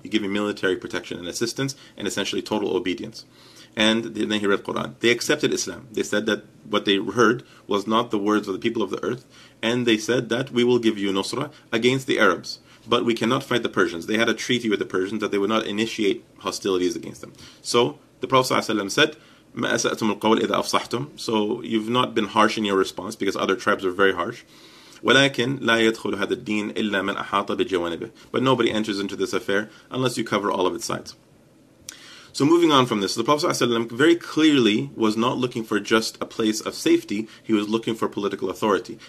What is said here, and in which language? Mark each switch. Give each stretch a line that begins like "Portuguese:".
English: You give me military protection and assistance, and essentially total obedience. And then he read Quran. They accepted Islam. They said that what they heard was not the words of the people of the earth, and they said that we will give you nusra against the Arabs, but we cannot fight the Persians. They had a treaty with the Persians that they would not initiate hostilities against them. So the Prophet ﷺ said,
Arabic: مَأَسَأْتُمُ الْقَوْلِ إِذَا أَفْصَحْتُمْ.
English: So you've not been harsh in your response, because other tribes are very harsh.
Arabic: وَلَكِنْ لَا يَدْخُلُ هَذَا الدِّينِ إِلَّا مَنْ أَحَاطَ بِجَوَانِبِهِ.
English: But nobody enters into this affair unless you cover all of its sides. So moving on from this, the Prophet ﷺ very clearly was not looking for just a place of safety, he was looking for political authority.